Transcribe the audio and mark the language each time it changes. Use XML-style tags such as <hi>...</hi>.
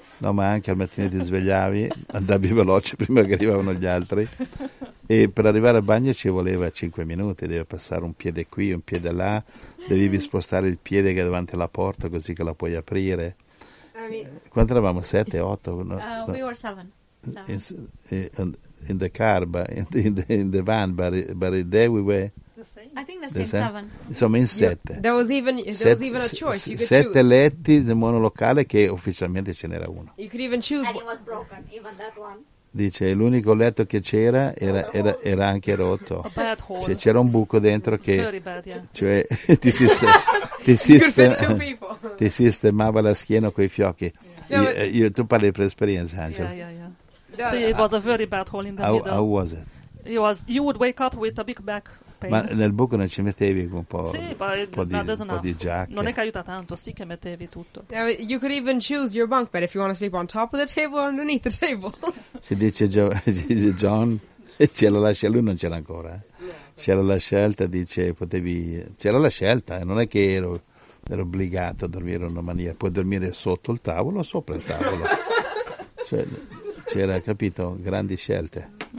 <it>No, ma anche al mattino ti svegliavi, andavi veloce prima che arrivavano gli altri. E per arrivare al bagno ci voleva 5 minuti, devi passare un piede qui, un piede là, devi spostare il piede che è davanti alla porta così che la puoi aprire. Quanto eravamo? 7, 8?</it> <en>No, no. We were 7. In the car, but in the van, but there we were. I think the same.</en> <it>Insomma, in 7.</it> <en>There was even a choice. You could</en> <it>7 letti nel monolocale che ufficialmente ce n'era uno.</it> <en>You could even choose. And it was broken, even that one.</en> <it>Dice, l'unico letto che c'era era anche rotto. Cioè, c'era un buco dentro che... cioè, ti sistemava la schiena con i fiocchi.</it> <en>Yeah,</en> <it>you, tu parli per esperienza, Angela.</it> <en>Yeah. So it was a very bad hole in the middle. How was it? You would wake up with a big back pain.</en> <it>Ma nel buco non ci mettevi un po', sì, po' di giacche? Non è che aiuta tanto, sì che mettevi tutto.</it> <en>Yeah, you could even choose your bunk bed if you want to sleep on top of the table or underneath the table.</en> <it>Si dice John, ce la lascia, lui non c'era ancora. C'era la scelta, dice, potevi... C'era la scelta, non è che ero obbligato a dormire in una maniera. Puoi dormire sotto il tavolo o sopra il tavolo. Cioè, c'era, capito, grandi scelte.</it>